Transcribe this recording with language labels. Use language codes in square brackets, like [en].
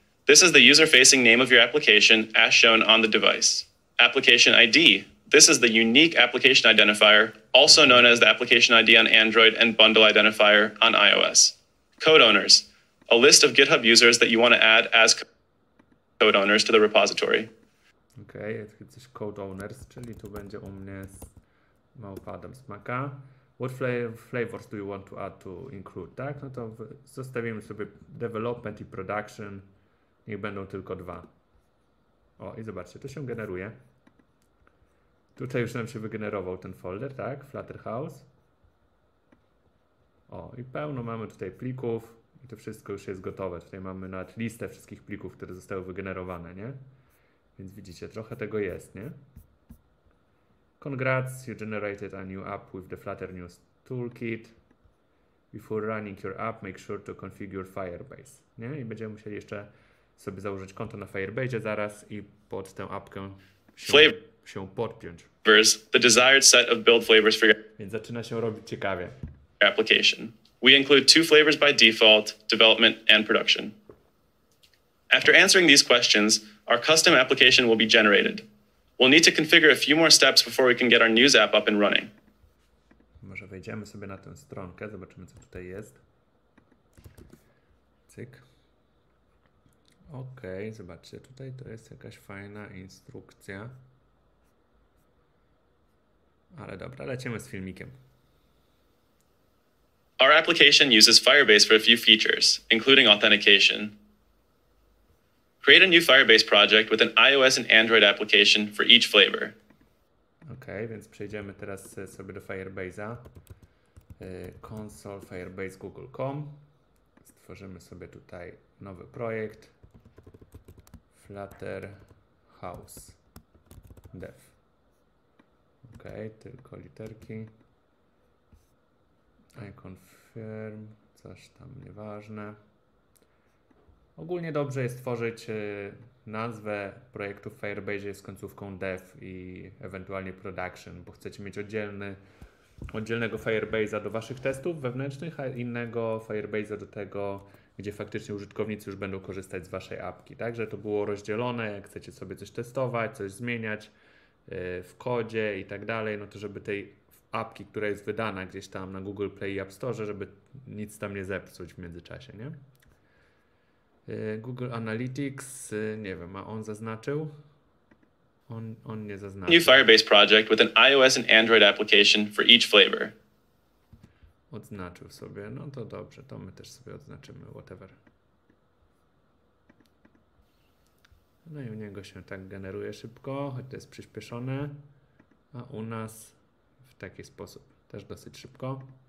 [en] This is the user-facing name of your application as shown on the device. Application ID. This is the unique application identifier, also known as the application ID on Android and bundle identifier on iOS. Code owners. A list of GitHub users that you want to add as... code owners to the repository. [pl] Okej, okay, jest coś code owners, czyli tu będzie u mnie z małpa Adam Smaka. [en] What flavors do you want to add to include? [pl] Tak, no to zostawimy sobie development i production. Niech będą tylko dwa. O, i zobaczcie, to się generuje. Tutaj już nam się wygenerował ten folder, tak? Flutter House. O, i pełno mamy tutaj plików. I to wszystko już jest gotowe. Tutaj mamy nawet listę wszystkich plików, które zostały wygenerowane, nie? Więc widzicie, trochę tego jest, nie? [en] Congrats, you generated a new app with the Flutter News Toolkit. Before running your app, make sure to configure Firebase, [pl] nie? I będziemy musieli jeszcze sobie założyć konto na Firebase zaraz i pod tę apkę się podpiąć. [en] The desired set of build flavors for your... [pl] Więc zaczyna się robić ciekawie. [en] Application. We include two flavors by default, development and production. After answering these questions, our custom application will be generated. We'll need to configure a few more steps before we can get our news app up and running. [pl] Może wejdziemy sobie na tę stronkę, zobaczymy co tutaj jest. Cyk. Okej, zobaczcie, tutaj to jest jakaś fajna instrukcja. Ale dobra, lecimy z filmikiem. [en] Our application uses Firebase for a few features, including authentication. Create a new Firebase project with an iOS and Android application for each flavor. [pl] Okay, więc przejdziemy teraz sobie do Firebase'a. Console Firebase Google.com. Stworzymy sobie tutaj nowy projekt. Flutter House Dev. Okay, tylko literki. [en] I confirm, [pl] coś tam nieważne. Ogólnie dobrze jest tworzyć nazwę projektu w Firebase z końcówką dev i ewentualnie production, bo chcecie mieć oddzielny oddzielnego Firebase'a do waszych testów wewnętrznych, a innego Firebase'a do tego, gdzie faktycznie użytkownicy już będą korzystać z waszej apki. Także to było rozdzielone, jak chcecie sobie coś testować, coś zmieniać w kodzie i tak dalej, no to żeby tej apki, która jest wydana gdzieś tam na Google Play i App Store, żeby nic tam nie zepsuć w międzyczasie, nie? Google Analytics, nie wiem, a on zaznaczył? On nie zaznaczył. [en] New Firebase project with an iOS and Android application for each flavor. [pl] Odznaczył sobie, no to dobrze, to my też sobie odznaczymy, whatever. No i u niego się tak generuje szybko, choć to jest przyspieszone, a u nas w taki sposób, też dosyć szybko.